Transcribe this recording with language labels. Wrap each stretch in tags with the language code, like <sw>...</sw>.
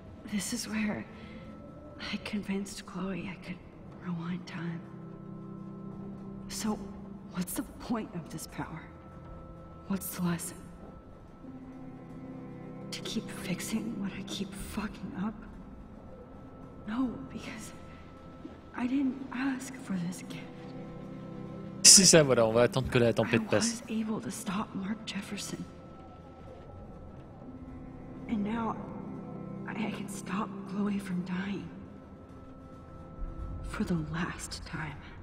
<en>This is where I convinced Chloe I could rewind time. So. What's the point of this power? What's the lesson? To keep fixing what I keep fucking up? No, because I didn't ask for this gift.</en> <fr>C'est ça, voilà, on va attendre que la tempête passe.</fr> <en>I was able to stop Mark Jefferson. And now I can stop Chloe from dying. For the last time.</en>